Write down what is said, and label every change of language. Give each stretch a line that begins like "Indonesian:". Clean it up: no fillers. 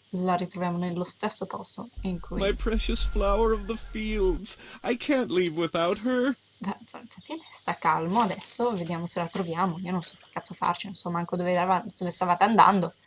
Italian: la ritroviamo nello stesso posto in cui.
English: My precious flower of the fields. I can't leave without her.
Italian: Bene, sta calmo adesso, vediamo se la troviamo. Io non so che cazzo farci, non so manco dove stavate andando.